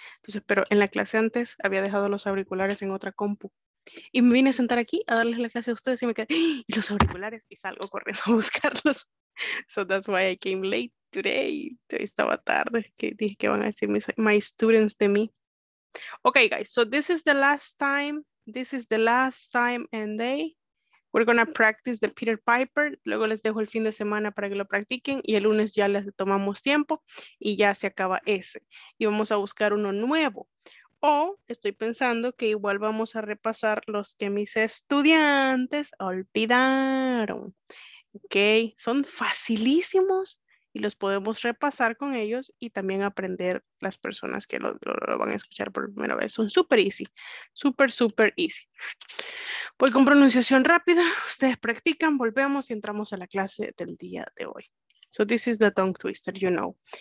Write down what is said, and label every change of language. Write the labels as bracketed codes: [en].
[es] Entonces, pero en la clase antes había dejado los auriculares en otra compu. Y me vine a sentar aquí a darles la clase a ustedes y me quedé, ¡y los auriculares! Y salgo corriendo a buscarlos. [en] So that's why I came late today. [es] Hoy estaba tarde, que dije que van a decir [en] my students [es] de mí. [en] Okay, guys, so this is the last time. This is the last time and day. We're going to practice the Peter Piper. [es] Luego les dejo el fin de semana para que lo practiquen. Y el lunes ya les tomamos tiempo y ya se acaba ese. Y vamos a buscar uno nuevo. O estoy pensando que igual vamos a repasar los que mis estudiantes olvidaron. Ok, son facilísimos y los podemos repasar con ellos y también aprender las personas que lo van a escuchar por primera vez. Son súper easy, súper, súper easy. Voy con pronunciación rápida, ustedes practican, volvemos y entramos a la clase del día de hoy. [en] So this is the tongue twister, you know.